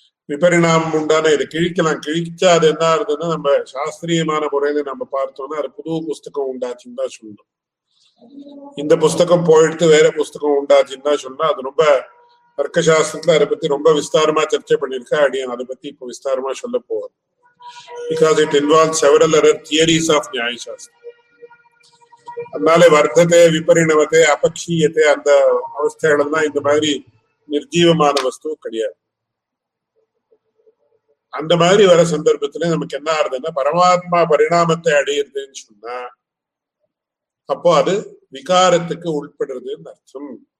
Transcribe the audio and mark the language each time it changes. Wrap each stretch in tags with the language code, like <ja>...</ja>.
<ta>விபரிணாமம் உண்டான இதை கிழிக்கலாம். கிழிச்சா அது என்ன ஆகுதுன்னா, நம்ம சாஸ்திரியமான முறையில நம்ம பார்த்தோம்னா அது புது புஸ்தகம் உண்டாச்சுன்னு தான் சொல்லணும். இந்த புஸ்தகம் போயிட்டு வேற புஸ்தகம் உண்டாச்சுன்னு தான் சொன்னா, அது ரொம்ப அர்க்கசாஸ்திரத்துல அதை பத்தி ரொம்ப விஸ்தாரமா சர்ச்சை பண்ணிருக்கா அப்படியே அதை பத்தி இப்ப விஸ்தாரமா சொல்ல போவார்.</ta> <en>Because it involves several other theories of Nyaya Shastra.</en> <ta>அதனாலே வர்த்தத்தை விபரிணவத்தை அபக்ஷீயத்தை அந்த அவஸ்தைகள் தான் இந்த மாதிரி நிர்ஜீவமான வஸ்து கிடையாது. அந்த மாதிரி வர சந்தர்ப்பத்துல நமக்கு என்ன ஆறுதுன்னா, பரமாத்மா பரிணாமத்தை அடையிறதுன்னு சொன்னா அப்போ அது விகாரத்துக்கு உள்படுறதுன்னு அர்த்தம்.</ta>